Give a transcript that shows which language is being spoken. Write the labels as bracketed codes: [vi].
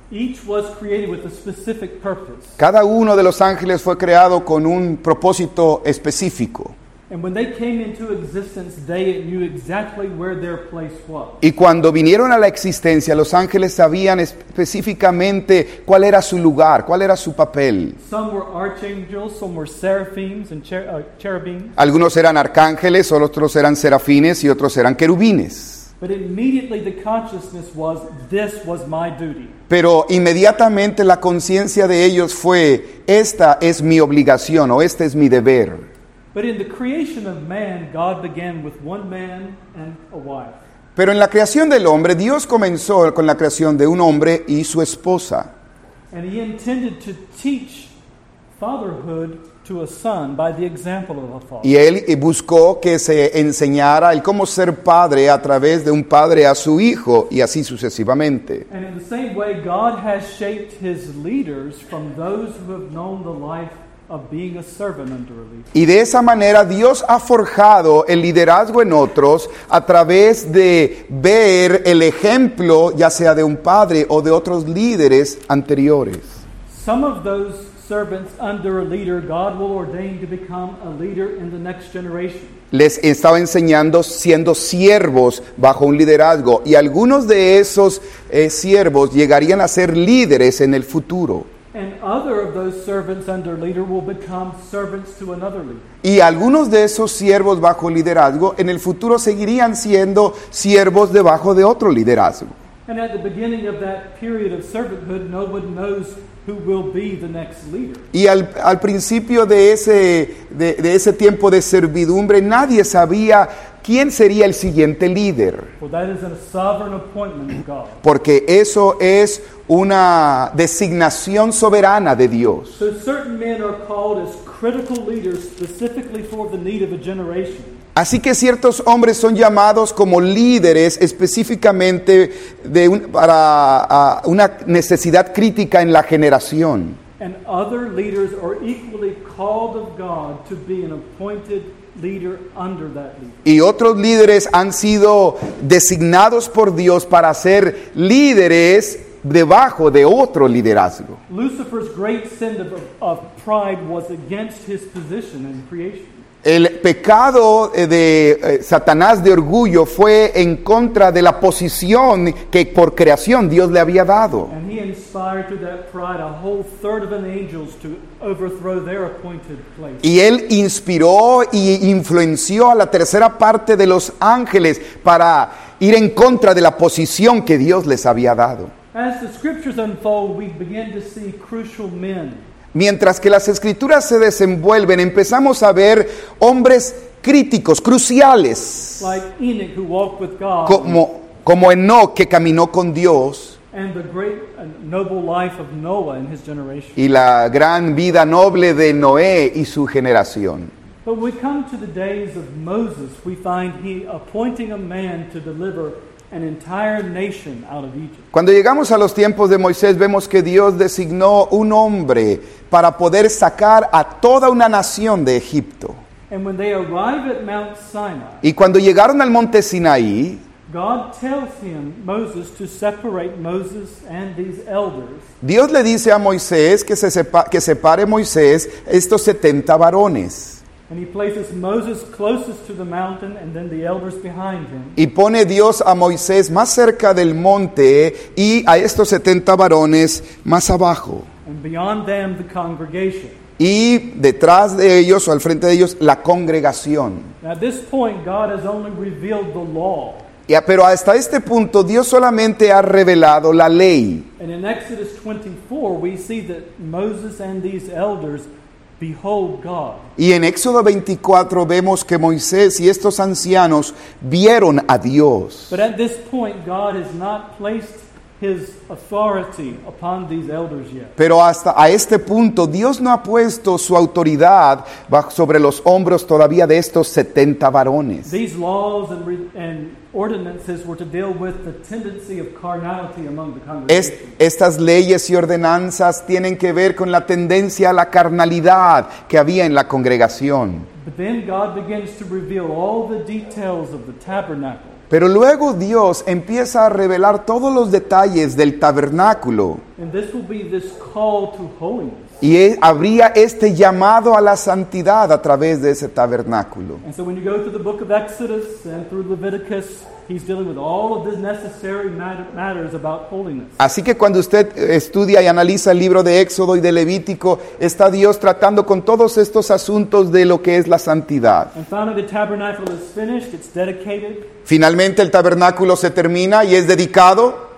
[en] each was created with a specific purpose. [es] Cada uno de los ángeles fue creado con un propósito específico. [en] And when they came into existence, they knew exactly where their place was. [es] Y cuando vinieron a la existencia, los ángeles sabían específicamente cuál era su lugar, cuál era su papel. [en] Some were archangels, some were seraphims and cherubim. [es] Algunos eran arcángeles, otros eran serafines y otros eran querubines. [en] But immediately the consciousness was, this was my duty. [es] Pero inmediatamente la conciencia de ellos fue, esta es mi obligación o este es mi deber. [en] But in the creation of man, God began with one man and a wife. [es] Pero en la creación del hombre, Dios comenzó con la creación de un hombre y su esposa. [en] And he intended to teach fatherhood to a son by the example of a father. [es] Y él buscó que se enseñara el cómo ser padre a través de un padre a su hijo y así sucesivamente. [en] And in the same way, God has shaped his leaders from those who have known the life of being a servant under a leader. [es] Y de esa manera Dios ha forjado el liderazgo en otros a través de ver el ejemplo, ya sea de un padre o de otros líderes anteriores. [en] Some of those servants under a leader, God will ordain to become a leader in the next generation. [es] Les estaba enseñando siendo siervos bajo un liderazgo, y algunos de esos siervos llegarían a ser líderes en el futuro. [en] And other of those servants under leader will become servants to another leader. [es] Y algunos de esos siervos bajo liderazgo en el futuro seguirían siendo siervos debajo de otro liderazgo. [en] And at the beginning of that period of servanthood, no one knows who will be the next leader. [es] Y al principio de ese tiempo de servidumbre, nadie sabía quién sería el siguiente líder. [en] Well, that is a sovereign appointment of God. [es] Porque eso es una designación soberana de Dios. [en] So certain men are called as critical leaders specifically for the need of a generation. [es] Así que ciertos hombres son llamados como líderes específicamente para una necesidad crítica en la generación. [en] And other leaders are equally called of God to be an appointed leader under that leader. [es] Y otros líderes han sido designados por Dios para ser líderes debajo de otro liderazgo. [en] Lucifer's great sin of pride was against his position in creation. [es] El pecado de Satanás de orgullo fue en contra de la posición que por creación Dios le había dado. [en] And he inspired through that pride a whole third of an angels to overthrow their appointed place. [es] Y él inspiró y influenció a la tercera parte de los ángeles para ir en contra de la posición que Dios les había dado. [en] As the scriptures unfold, we begin to see crucial men. [es] Mientras que las escrituras se desenvuelven, empezamos a ver hombres críticos, cruciales. [en] Like Enoch, who walked with God, [es] como Enoch, que caminó con Dios. [en] And the great noble life of Noah and his generation. [es] Y la gran vida noble de Noé y su generación. [en] But we come to the days of Moses, we find he appointing a man to deliver an entire nation out of Egypt. [es] Cuando llegamos a los tiempos de Moisés, vemos que Dios designó un hombre para poder sacar a toda una nación de Egipto. [en] And when they arrive at Mount Sinai, [es] y cuando llegaron al monte Sinaí, [en] God tells him, Moses, to separate Moses and these elders. [es] Dios le dice a Moisés que separe Moisés estos 70 varones. [en] And he places Moses closest to the mountain and then the elders behind him. [es] Y pone Dios a Moisés más cerca del monte y a estos 70 varones más abajo. [en] And beyond them, the congregation. [es] Y detrás de ellos o al frente de ellos, la congregación. [en] Now, at this point, God has only revealed the law. [es] Pero hasta este punto Dios solamente ha revelado la ley. [en] And in Exodus 24, we see that Moses and these elders behold God. [es] Y en Éxodo 24 vemos que Moisés y estos ancianos vieron a Dios. [en] But at this point, God has not placed his authority upon these elders yet. [es] Pero hasta a este punto Dios no ha puesto su autoridad sobre los hombros todavía de estos 70 varones. [en] These laws and ordinances were to deal with the tendency of carnality among the congregation. [es] Estas leyes y ordenanzas tienen que ver con la tendencia a la carnalidad que había en la congregación. [en] But then God begins to reveal all the details of the tabernacle. [es] Pero luego Dios empieza a revelar todos los detalles del tabernáculo. [en] And this will be this call to holiness. [es] Y habría este llamado a la santidad a través de ese tabernáculo. [en] And so when you go through the book of Exodus and through Leviticus, he's dealing with all of these necessary matters about holiness. [es] Así que cuando usted estudia y analiza el libro de Éxodo y de Levítico, está Dios tratando con todos estos asuntos de lo que es la santidad. [en] And finally, the tabernacle is finished, it's dedicated. [es] Finalmente el tabernáculo se termina y es dedicado.